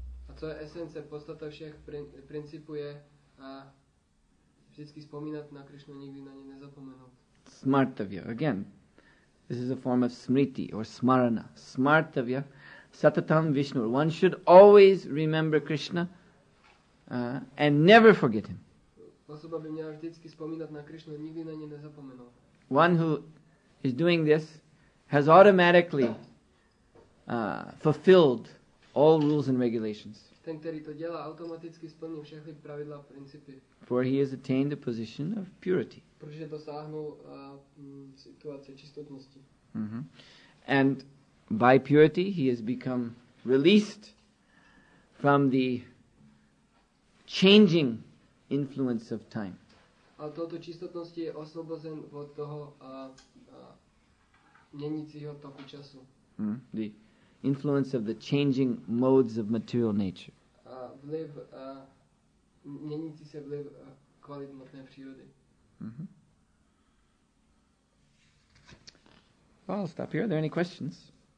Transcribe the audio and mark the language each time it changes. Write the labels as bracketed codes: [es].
[cs] A co je esence, podstata všech principů je vždycky vzpomínat na Krishnu, nikdy na ně nezapomenout. [en] Smartavya, again, this is a form of smriti or smarana. [sa] Smartavya satatam vishnur, [en] one should always remember Krishna and never forget him. [cs] Osoba by měla vždycky vzpomínat na Krishnu, nikdy na ně nezapomenout. [en] One who is doing this has automatically fulfilled all rules and regulations. [cs] Ten, který to dělá, automaticky splní všechny pravidla a principy. [en] For he has attained the position of purity. [cs] Protože dosáhnul situace čistotnosti. Mm-hmm. [en] And by purity he has become released from the changing influence of time. [cs] A touto čistotnosti je osvobozen od toho měnícího toku času. [en] The influence of the changing modes of material nature. [cs] Vliv měnící se vliv kvalit hmotné přírody. Mm-hmm. [en] Well, I'll stop here. Are there any questions?